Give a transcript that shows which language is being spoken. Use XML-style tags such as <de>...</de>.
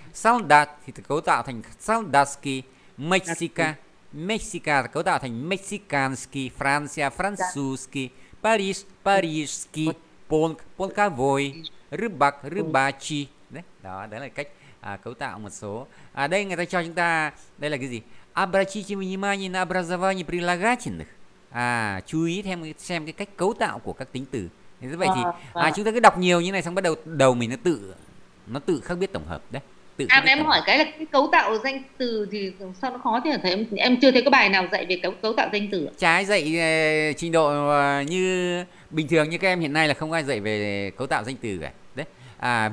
<vi>Soldat thì cấu tạo thành Soldatski, Mexica, Mexica cấu tạo thành Mexicanski, Francia, Francuski, Paris, Parisski, Polk, Polkavoy, Rybak, Rybachi đấy, đó đấy là cách cấu tạo một số. Đây người ta cho chúng ta, đây là cái gì?</vi> <ru>Обратите внимание на образование прилагательных.</ru> <vi>Chú ý xem cái cách cấu tạo của các tính từ. Thế vậy thì chúng ta cứ đọc nhiều như này, xong bắt đầu đầu mình nó tự khác biết tổng hợp đấy, tự khác biết Em tổng hỏi hợp. cái là cái cấu tạo danh từ thì sao nó khó thế? Em chưa thấy có bài nào dạy về cấu tạo danh từ ạ. Trái dạy trình độ như bình thường như các em hiện nay là không ai dạy về cấu tạo danh từ cả đấy.</vi>